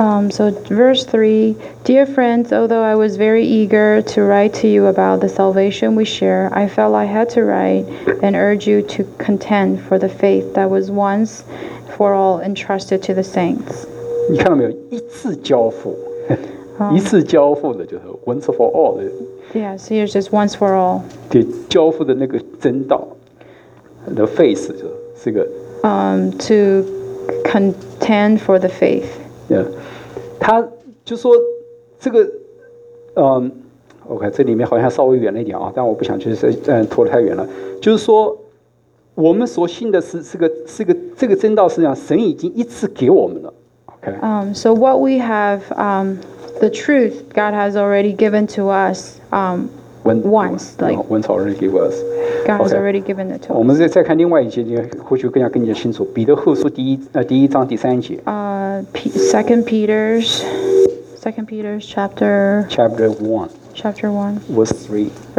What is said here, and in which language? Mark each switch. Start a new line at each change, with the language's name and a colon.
English: So verse 3, dear friends, although I was very eager to write to you about the salvation we share, I felt I had to write and urge you to contend for the faith that was once for all entrusted to the saints.
Chinese: 你看到没有？一次交付，一次交付的就是
English: once for all
Chinese: 的。
English: Yeah, so it's just once for all.
Chinese: 对，交付的那个真道 ，
English: the faith
Chinese: 就是一个。
English: To contend for the faith. Yeah.
Chinese: 他就说这个OK 这里面好像稍微远了一点啊，但我不想去拖太远了，就是说我们所信的是个这个真道，实际上神已经一次给我们了。
English: OK So what we have the truth God has already given to us once already give us God has already given it to us.
Chinese: 我们再看另外一节，你或许更加清楚。彼得后书第一章第三节。
English: Second Peter's chapter one, verse three